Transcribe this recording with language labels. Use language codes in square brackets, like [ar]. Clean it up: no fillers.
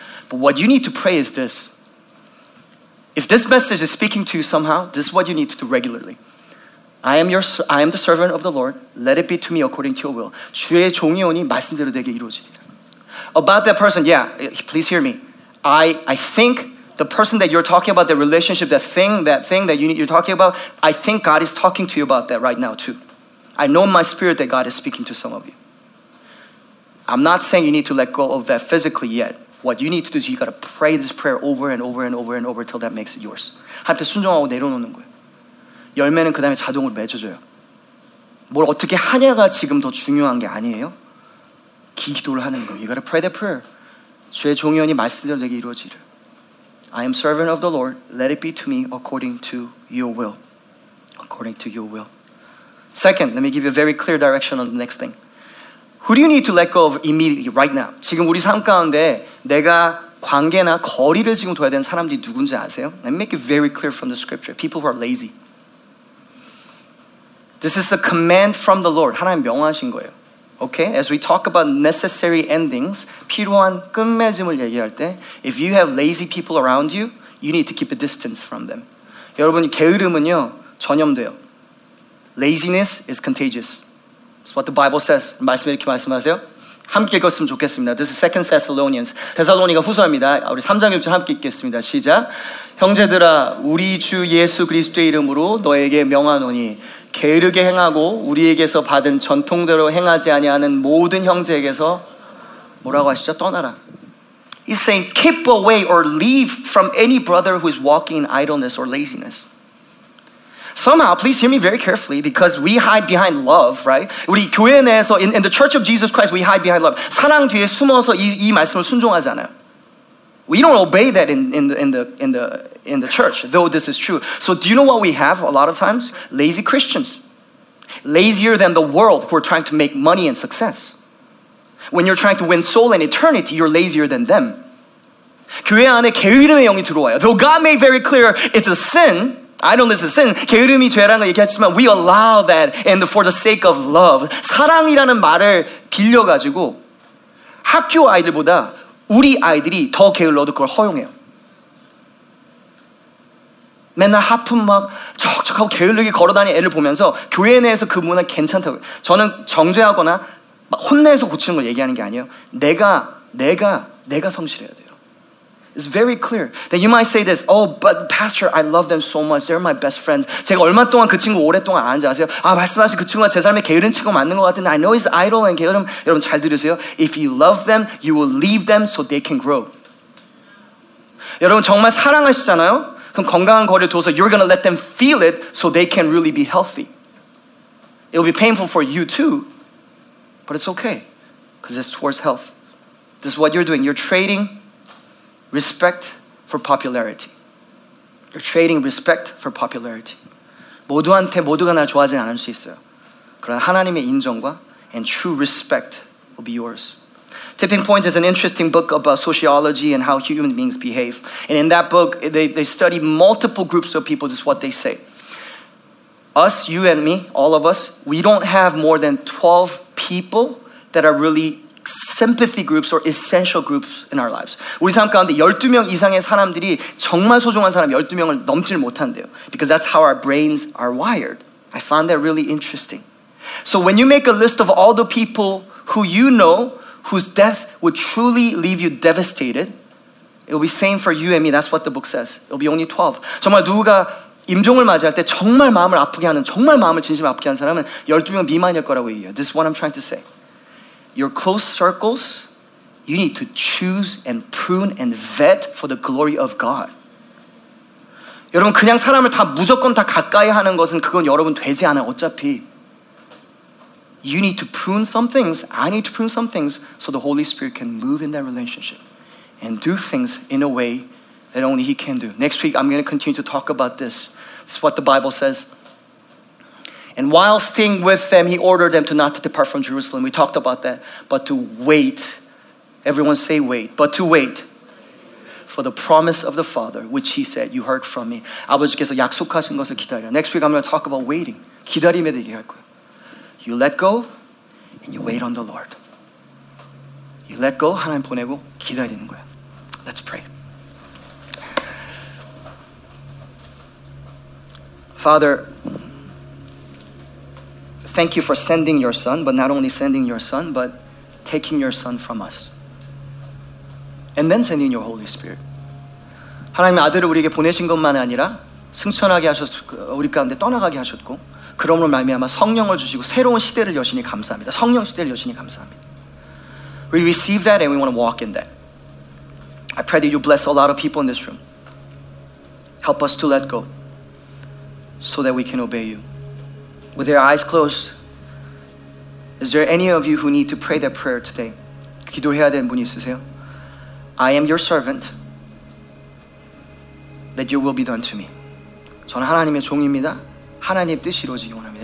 [en] But what you need to pray is this. If this message is speaking to you somehow, this is what you need to do regularly. I am the servant of the Lord. Let it be to me according to your will. [ko] 주의 종이 오니 말씀대로 내게 이루어지리라. [en] About that person, yeah, please hear me. I think the person that you're talking about, the relationship, that thing you're talking about, I think God is talking to you about that right now too. I know in my spirit that God is speaking to some of you. I'm not saying you need to let go of that physically yet. What you need to do is you got to pray this prayer over and over and over and over till that makes it yours. [ko] 한테 순종하고 내려놓는 거예요. 열매는 그 다음에 자동으로 맺어져요. 뭘 어떻게 하냐가 지금 더 중요한 게 아니에요. 기도를 하는 거예요. [en] You gotta pray that prayer. [ko] 주의 종이오니 말씀대로 내게 이루어지를. [en] I am servant of the Lord. Let it be to me according to your will. According to your will. Second, let me give you a very clear direction on the next thing. Who do you need to let go of immediately, right now? [ko] 지금 우리 삶 가운데 내가 관계나 거리를 지금 둬야 되는 사람들이 누군지 아세요? [en] Let me make it very clear from the scripture. People who are lazy. This is a command from the Lord. [ko] 하나님 명하신 거예요. [en] Okay? As we talk about necessary endings, [ko] 필요한 끝맺음을 얘기할 때, [en] if you have lazy people around you, you need to keep a distance from them. [ko] 여러분, 게으름은요, 전염돼요. [en] Laziness is contagious. That's what the Bible says. [ko] 말씀 이렇게 말씀하세요. 함께 읽었으면 좋겠습니다. [en] This is 2 Thessalonians. [ko] 데살로니가 후서입니다. 우리 3장 6절 함께 읽겠습니다. 시작. 형제들아, 우리 주 예수 그리스도의 이름으로 너에게 명하노니, 게으르게 행하고 우리에게서 받은 전통대로 행하지 아니하는 모든 형제에게서 뭐라고 하시죠? 떠나라. [en] He's saying keep away or leave from any brother who is walking in idleness or laziness. Somehow, please hear me very carefully, because we hide behind love, right? [ko] 우리 교회 내에서, [en] in the church of Jesus Christ, we hide behind love. [ko] 사랑 뒤에 숨어서 이 말씀을 순종하잖아요. [en] We don't obey that in the church, though this is true. So do you know what we have a lot of times? Lazy Christians. Lazier than the world who are trying to make money and success. When you're trying to win soul and eternity, you're lazier than them. [ko] 교회 안에 게으름의 영이 들어와요. [en] Though God made very clear it's a sin, I know this is sin, [ko] 게으름이 죄라는 걸 얘기했지만 [en] we allow that and for the sake of love. [ko] 사랑이라는 말을 빌려가지고 학교 아이들보다 우리 아이들이 더 게을러도 그걸 허용해요. 맨날 하품 막 척척하고 게을르게 걸어다니는 애를 보면서 교회 내에서 그 문화 괜찮다고. 저는 정죄하거나 막 혼내서 고치는 걸 얘기하는 게 아니에요. 내가 성실해야 돼요. [en] It's very clear. Then you might say this, oh, but pastor, I love them so much. They're my best friends. [ko] 제가 얼마 동안 그 친구 오랫동안 아는지 아세요? 아, 말씀하신 그 친구가 제 삶에 게으른 친구 맞는 것 같은데 [en] I know he's idol and [ko] 게으름. 여러분 잘 들으세요. [en] If you love them, you will leave them so they can grow. [ko] 여러분 정말 사랑하시잖아요? 그럼 건강한 거리를 둬서 [en] you're gonna let them feel it so they can really be healthy. It will be painful for you too, but it's okay because it's towards health. This is what you're doing. You're trading respect for popularity. You're trading respect for popularity. [ko] 모두한테 모두가 날 좋아하진 않을 수 있어요. 그러나 하나님의 인정과 [en] and true respect will be yours. Tipping Point is an interesting book about sociology and how human beings behave. And in that book, they study multiple groups of people. This is what they say. Us, you and me, all of us, we don't have more than 12 people that are really sympathy groups or essential groups in our lives. [ko] 우리 삶 가운데 12명 이상의 사람들이 정말 소중한 사람 12명을 넘지를 못한대요. [en] Because that's how our brains are wired. I found that really interesting. So when you make a list of all the people who you know whose death would truly leave you devastated, it'll be same for you and me. That's what the book says. It'll be only 12. [ko] 정말 누가 임종을 맞이할 때 정말 마음을 아프게 하는 정말 마음을 진심 아프게 하는 사람은 12명 미만일 거라고 얘기해요. [en] This is what I'm trying to say. Your close circles, you need to choose and prune and vet for the glory of God. [ko] 여러분 그냥 사람을 다 무조건 다 가까이 하는 것은 그건 여러분 되지 않아 어차피. [en] You need to prune some things. I need to prune some things so the Holy Spirit can move in that relationship and do things in a way that only He can do. Next week, I'm going to continue to talk about this. This is what the Bible says. And while staying with them, he ordered them to not to depart from Jerusalem. We talked about that. But to wait. Everyone say wait. But to wait for the promise of the Father, which he said, you heard from me. [ko] 아버지께서 약속하신 것을 기다려. [en] Next week, I'm going to talk about waiting. [ko] 기다림에 대해 얘기할 거예요. [en] You let go, and you wait on the Lord. You let go, [ko] 하나님 보내고 기다리는 거야. [en] Let's pray. Father, thank you for sending your son, but not only sending your son, but taking your son from us. And then sending your Holy Spirit. [ko] 하나님 아들을 우리에게 보내신 것만 아니라 승천하게 하셨고 우리 가운데 떠나가게 하셨고 그러므로 말미암아 성령을 주시고 새로운 시대를 여시니 감사합니다. 성령 시대를 여시니 감사합니다. [en] We receive that and we want to walk in that. I pray that you bless a lot of people in this room. Help us to let go so that we can obey you. With their eyes closed, is there any of you who need to pray that prayer today? [ko] 기도해야 되는 분 있으세요? [en] I am your servant, that your will be done to me. [ko] 저는 하나님의 종입니다. 하나님의 뜻이 이루어지기 원합니다.